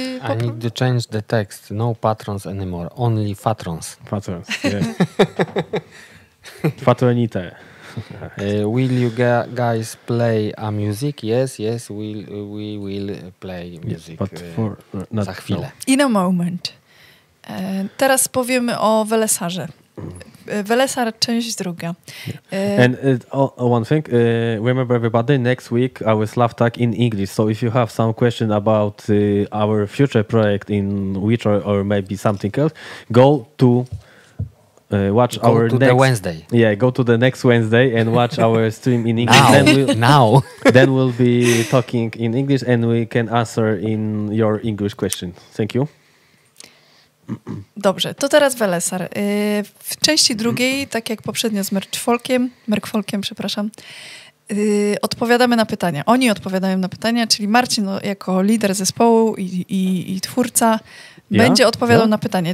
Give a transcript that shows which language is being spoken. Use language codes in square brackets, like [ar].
[en] I need to change the text. No patrons anymore. Only patrons. Patrons, yes. Patronite. Will you guys play a music? Yes, yes, we will play music. But for, not [pl] za chwilę. No. [en] In a moment. [pl] Teraz powiemy o Welesarze. Welesar, część druga. [en] And one thing, remember everybody, next week our Slav Talk in English. So if you have some question about our future project in Witcher or maybe something else, go to watch go our to next the Wednesday. Yeah, go to the next Wednesday and watch our stream in English. Now. Then we'll be talking in English and we can answer in your English question. Thank you. [pl] Dobrze, to teraz Welesar. W części drugiej, tak jak poprzednio z Merkfolkiem, przepraszam, odpowiadamy na pytania. Oni odpowiadają na pytania, czyli Marcin jako lider zespołu i twórca będzie odpowiadał na pytanie.